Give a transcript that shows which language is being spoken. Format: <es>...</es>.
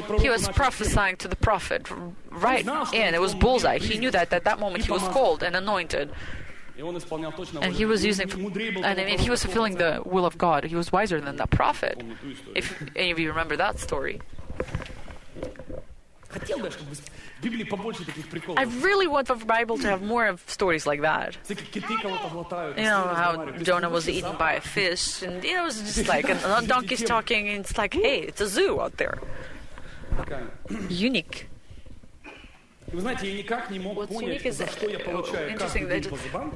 <en>He was prophesying to the prophet right in. It was bullseye. He knew that at that moment he was called and anointed. And he was using, he was fulfilling the will of God. He was wiser than that prophet. If any of you remember that story.</en> <ru>хотел бы, чтобы в Библии побольше таких приколов.</ru> <en>I really want the Bible to have more of stories like that. You know how Jonah was eaten by a fish, and it was just like a donkey's talking, and it's like, hey, it's a zoo out there. Unique.</en> <ru>Вы знаете, я никак не мог понять, за что я получаю каждый день по зубам.</ru>